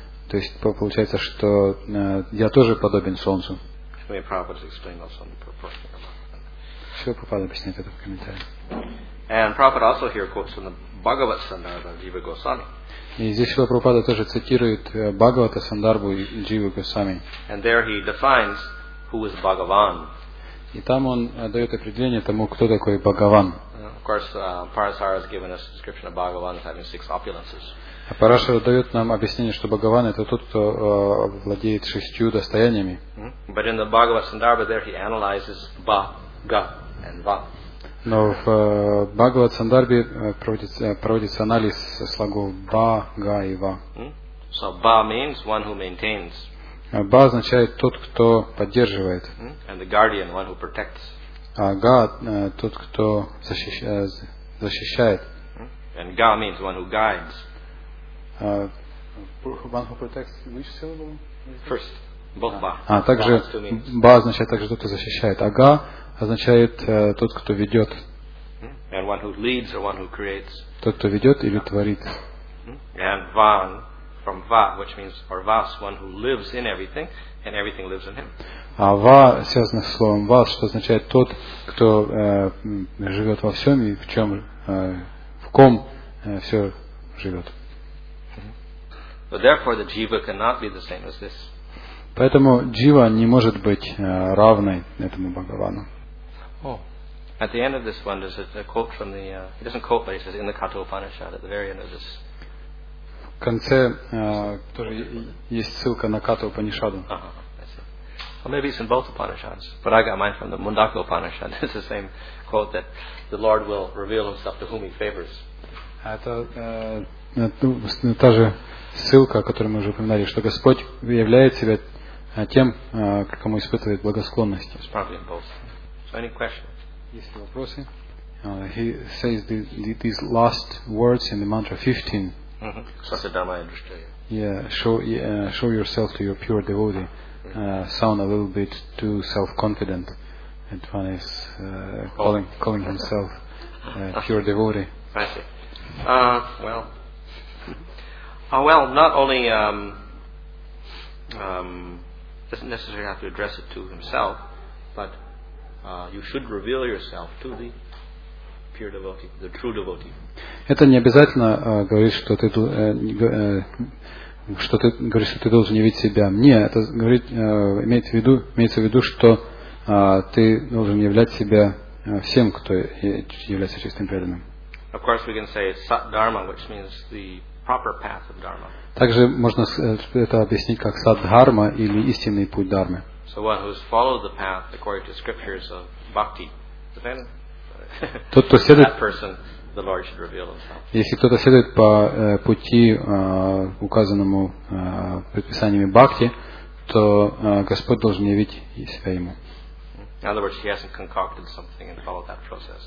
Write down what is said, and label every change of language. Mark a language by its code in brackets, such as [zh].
[ru] То есть получается, что я тоже подобен солнцу. Все Прабхупада объясняет это в комментарии. [en] And Prabhupada also here quotes from the Bhagavata Sandarbha Jiva Goswami. [ru] И здесь Шрила Прабхупада тоже цитирует Бхагавата Сандарбу и Джива Госвами. [en] And there he defines who is Bhagavan. [ru] И там он дает определение тому, кто такой Бхагаван. [en] Of course, Parasara has given us a description of Bhagavan as having six opulences. [ru] Парашара дает нам объяснение, что Бхагаван это тот, кто владеет шестью достояниями. [en] But in the Bhagavata Sandarbha there he analyzes ba, ga, and va. [ru] Но в Бхагавата Сандарбе проводится анализ слогов ба, га и ва. [en] So ba means one who maintains. [ru] Ба означает тот, кто поддерживает. [en] And the guardian, one who protects. [ru] А га тот, кто защищает. [en] And ga means one who guides. One who protects which syllable? First. Both ba. [ru] Также ба означает также тот, кто защищает. А га означает тот, кто ведет. [en] And one who leads or one who creates. [ru] Тот, кто ведет или творит. [en] And van. From va, which means or vas, one who lives in everything, and everything lives in him. [ru] А ва связано с словом вас, что означает тот, кто живет во всем и в чем, в ком все живет. [en] So therefore, the jiva cannot be the same as this. [ru] Поэтому джива не может быть равной этому Бхагавану. [en] Oh. At the end of this one, there's a quote from the. He doesn't quote, but he says in the Katha Upanishad at the very end of this. [ru] В конце тоже есть ссылка на Катху Упанишаду. [en] Well, maybe it's in both Upanishads, but I got mine from the Mundaka Upanishad. It's the same quote that the Lord will reveal Himself to whom He favors. [ru] Это та же ссылка, о которой мы уже упоминали, что Господь являет себя тем, кому испытывает благосклонность. [en] It's probably in both. So any questions? [ru] Есть ли вопросы? [en] He says these last words in the mantra 15. Show yourself to your pure devotee. Sound a little bit too self-confident. And one is calling himself pure devotee. I see. Not only doesn't necessarily have to address it to himself, but you should reveal yourself to the pure devotee, the true devotee. [ru] Это не обязательно говорит, что ты что ты говоришь, что ты должен явить себя мне. Это говорит, имеется в виду, что ты должен являть себя всем, кто является чистым преданным. [en] Of course, we can say sat dharma, which means the proper path of dharma. [ru] Также можно это объяснить как сат дхарма или истинный путь дхармы. [en] So one who has followed the path according to scriptures of bhakti, then [ru] тот, кто следует, [en] that person, the Lord should reveal himself. [ru] Если кто-то следует по пути, указанному предписаниями бхакти, то Господь должен явить себя ему. [en] In other words, he hasn't concocted something and followed that process.